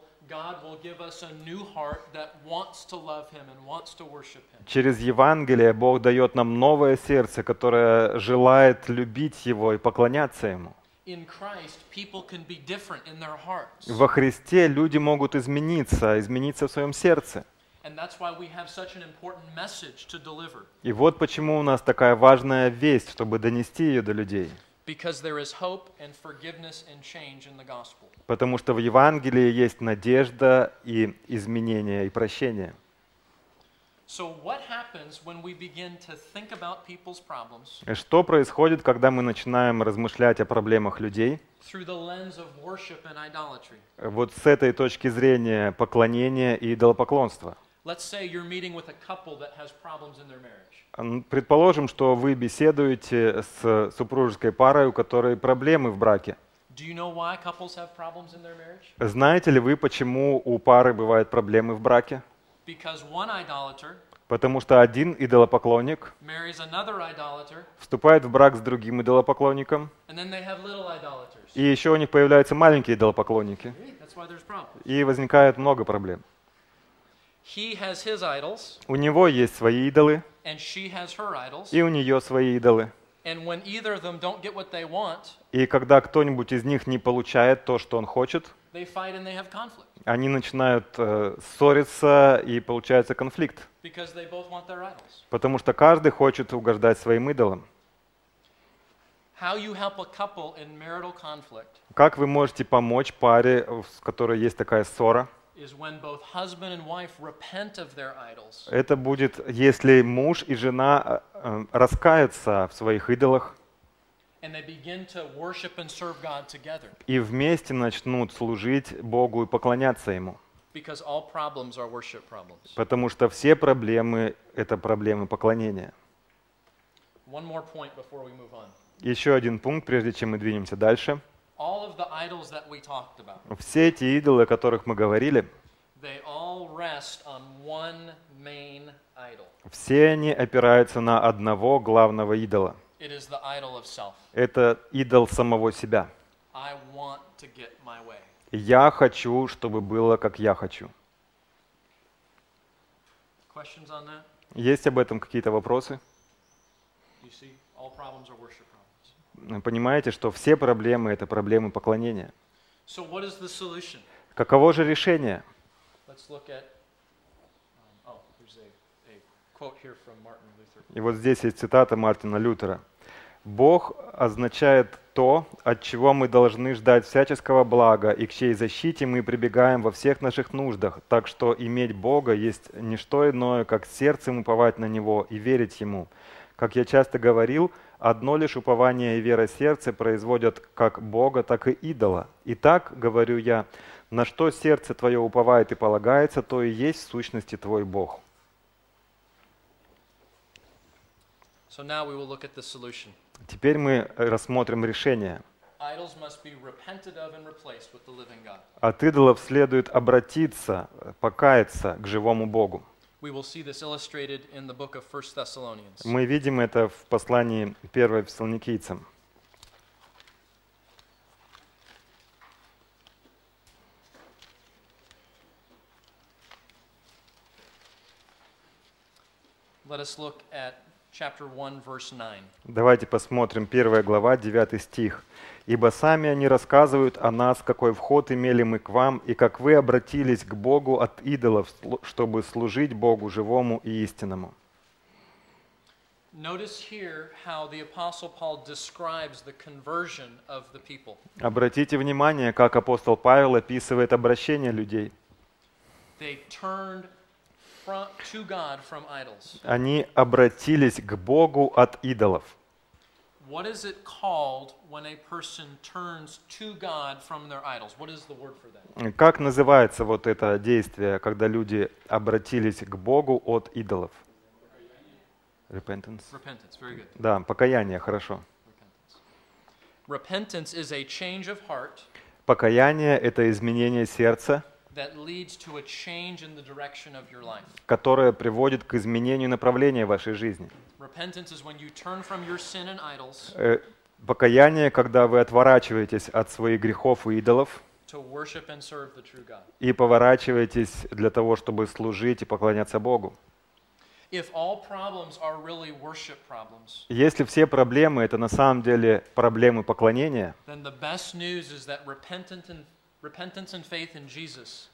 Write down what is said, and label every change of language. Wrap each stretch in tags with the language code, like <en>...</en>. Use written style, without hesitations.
<en>God will give us a new heart that wants to love him and wants to worship him.</en> <ru>Через Евангелие Бог дает нам новое сердце, которое желает любить его и поклоняться ему.</ru> <en>In Christ people can be different in their hearts.</en> <ru>Во Христе люди могут измениться, измениться в своем сердце.</ru> <en>And that's why we have such an important message to deliver.</en> <ru>И вот почему у нас такая важная весть, чтобы донести ее до людей.</ru> <en>Because there is hope and forgiveness and change in the gospel.</en> <ru>Потому что в Евангелии есть надежда и изменение и прощение.</ru> <en>So what happens when we begin to think about people's problems?</en> <ru>Что происходит, когда мы начинаем размышлять о проблемах людей?</ru> <en>Through the lens of worship and idolatry.</en> <ru>Вот с этой точки зрения поклонения и идолопоклонства.</ru> <en>Let's say you're meeting with a couple that has problems in their marriage.</en> <ru>Предположим, что вы беседуете с супружеской парой, у которой проблемы в браке.</ru> <en>Do you know why couples have problems in their marriage?</en> <ru>Знаете ли вы, почему у пары бывают проблемы в браке?</ru> <en>Because one idolater.</en> <ru>Потому что один идолопоклонник</ru> <en>marries another idolater.</en> <ru>Вступает в брак с другим идолопоклонником.</ru> <en>And then they have little idolaters.</en> <ru>И еще у них появляются маленькие идолопоклонники.</ru> <en>That's why there's problems.</en> <ru>И возникает много проблем.</ru> <en>He has his idols.</en> <ru>У него есть свои идолы.</ru> <en>And she has her idols.</en> <ru>И у нее свои идолы.</ru> <en>And when either of them don't get what they want,</en> <ru>и когда кто-нибудь из них не получает то, что он хочет,</ru> <en>they fight and they have conflict.</en> <ru>Они начинают ссориться, и получается конфликт.</ru> <en>Because they both want their idols.</en> <ru>Потому что каждый хочет угождать своим идолам.</ru> <en>How you help a couple in marital conflict?</en> <ru>Как вы можете помочь паре, в которой есть такая ссора?</ru> <en>Is when both husband and wife repent of their idols.</en> <ru>Это будет, если муж и жена раскаются в своих идолах.</ru> <en>And they begin to worship and serve God together.</en> <ru>И вместе начнут служить Богу и поклоняться ему.</ru> <en>Because all problems are worship problems.</en> <ru>Потому что все проблемы это проблемы поклонения.</ru> <en>One more point before we move on.</en> <ru>Еще один пункт, прежде чем мы двинемся дальше.</ru> <en>All of the idols that we talked about.</en> <ru>Все эти идолы, о которых мы говорили,</ru> <en>they all all rest on one main idol.</en> <ru>Все они опираются на одного главного идола.</ru> <en>It is the idol of self.</en> <ru>Это идол самого себя.</ru> <en>I want to get my way.</en> <ru>Я хочу, чтобы было, как я хочу.</ru> <en>Questions on that?</en> <ru>Есть об этом какие-то вопросы?</ru> <en>You see, all problems are worship problems.</en> <ru>Понимаете, что все проблемы — это проблемы поклонения.</ru> <en>So what is the solution?</en> <ru>Каково же решение?</ru> <en>Let's look at, here's a quote here from Martin Luther.</en> <ru>И вот здесь есть цитата Мартина Лютера. «Бог означает то, от чего мы должны ждать всяческого блага и к чьей защите мы прибегаем во всех наших нуждах. Так что иметь Бога есть не что иное, как сердцем уповать на Него и верить Ему. Как я часто говорил, одно лишь упование и вера сердца производят как Бога, так и идола. Итак, говорю я, на что сердце твое уповает и полагается, то и есть в сущности твой Бог».</ru> <en>So now we will look at the solution.</en> <ru>Теперь мы рассмотрим решение.</ru> <en>Idols must be repented of and replaced with the living God.</en> <ru>От идолов следует обратиться, покаяться к живому Богу.</ru> <en>We will see this illustrated in the book of 1 Thessalonians.</en> <ru>Мы видим это в послании 1 Фессалоникийцам.</ru> <en>Let us look at Chapter 1, verse 9.</en> <ru>Давайте посмотрим 1 глава, 9 стих. «Ибо сами они рассказывают о нас, какой вход имели мы к вам, и как вы обратились к Богу от идолов, чтобы служить Богу живому и истинному».</ru> <en>Notice here how the Apostle Paul describes the conversion of the people.</en> <ru>Обратите внимание, как апостол Павел описывает обращение людей.</ru> <en>They turned to God from idols.</en> <ru>Они обратились к Богу от идолов.</ru> <en>What is it called when a person turns to God from their idols? What is the word for that?</en> <ru>Как называется вот это действие, когда люди обратились к Богу от идолов?</ru> <en>Repentance. Repentance, very good.</en> <ru>Да, покаяние, хорошо.</ru> <en>Repentance is a change of heart.</en> <ru>Покаяние — это изменение сердца.</ru> <en>That leads to a change in the direction of your life.</en> <ru>Которая приводит к изменению направления вашей жизни.</ru> <en>Repentance is when you turn from your sin and idols.</en> <ru>Покаяние, когда вы отворачиваетесь от своих грехов и идолов.</ru> <en>To worship and serve the true God.</en> <ru>И поворачиваетесь для того, чтобы служить и поклоняться Богу.</ru> <en>If all problems are really worship problems.</en> <ru>Если все проблемы это на самом деле проблемы поклонения.</ru> <en>Then the best news is that repentance and faith in Jesus.</en>